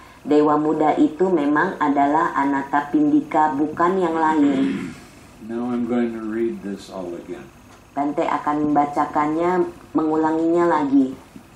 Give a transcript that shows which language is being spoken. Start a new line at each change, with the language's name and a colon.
Indonesian: Dewa muda itu memang adalah Anuttanapendika, bukan yang lain.
English: Now I'm going to read this all again.
Indonesian: Bante akan membacakannya, mengulanginya lagi.